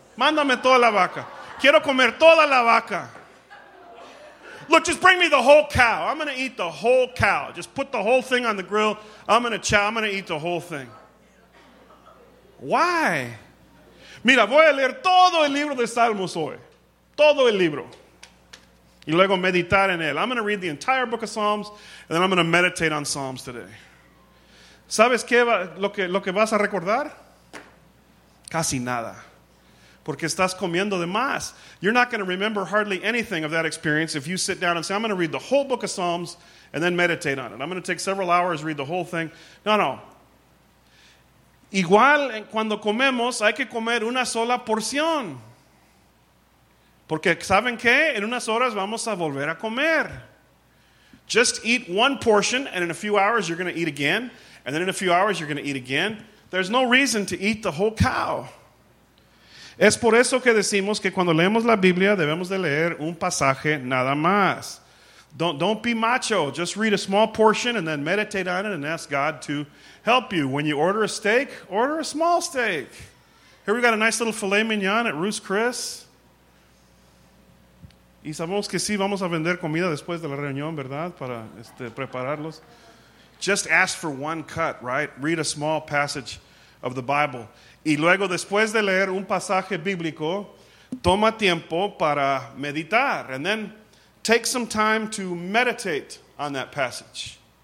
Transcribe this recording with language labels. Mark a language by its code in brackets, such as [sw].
[es] Mándame toda la vaca. Quiero comer toda la vaca. [en] Look, just bring me the whole cow. I'm going to eat the whole cow. Just put the whole thing on the grill. I'm going to eat the whole thing. Why? [es] Mira, voy a leer todo el libro de Salmos hoy. Todo el libro. Y luego meditar en él. [en] I'm going to read the entire book of Psalms, and then I'm going to meditate on Psalms today. [es] ¿Sabes qué va, lo que vas a recordar? Casi nada. Porque estás comiendo de más. [en] You're not going to remember hardly anything of that experience if you sit down and say, I'm going to read the whole book of Psalms and then meditate on it. I'm going to take several hours, read the whole thing. [es] No. Igual cuando comemos, hay que comer una sola porción. Porque ¿saben qué? En unas horas vamos a volver a comer. [en] Just eat one portion and in a few hours you're going to eat again. And then in a few hours you're going to eat again. There's no reason to eat the whole cow. [es] Es por eso que decimos que cuando leemos la Biblia debemos de leer un pasaje nada más. [en] Don't be macho. Just read a small portion and then meditate on it and ask God to help you. When you order a steak, order a small steak. Here we got a nice little filet mignon at Ruth's Chris. [es] Y sabemos que sí vamos a vender comida después de la reunión, ¿verdad? Para prepararlos. [en] Just ask for one cut, right? Read a small passage of the Bible. [es] Y luego, después de leer un pasaje bíblico, toma tiempo para meditar. [en] And then take some time to meditate on that passage.